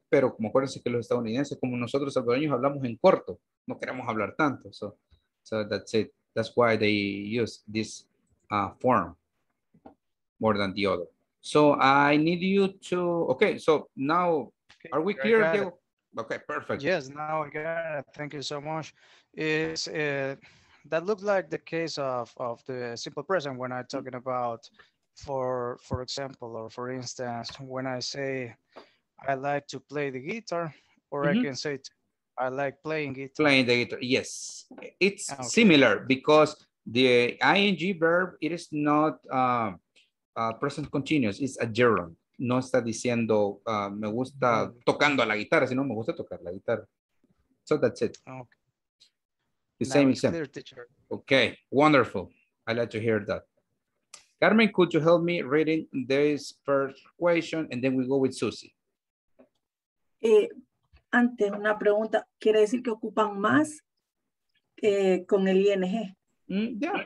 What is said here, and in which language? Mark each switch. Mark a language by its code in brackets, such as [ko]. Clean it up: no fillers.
[es] Pero como acuérdense que los estadounidenses, como nosotros salvadoreños, hablamos en corto. No queremos hablar tanto. [en] So that's it. That's why they use this form more than the other. So I need you to... Okay, so now, okay, are we clear? Okay, perfect. Yes, now I got it. Thank you so much. Is that looked like the case of the simple present when I'm talking about, for example, or for instance, when I say... I like to play the guitar, or mm-hmm. I can say I like playing guitar. Playing the guitar, yes. It's okay. Similar because the ing verb, it is not present continuous, it's a gerund. [es] No está diciendo me gusta tocando la guitarra, sino me gusta tocar la guitarra. [en] So that's it. Okay. The now same example. Clear, teacher. Okay, wonderful. I like to hear that. Carmen, could you help me reading this first question and then we go with Susie? [es] Antes una pregunta, quiere decir que ocupan más con el ing.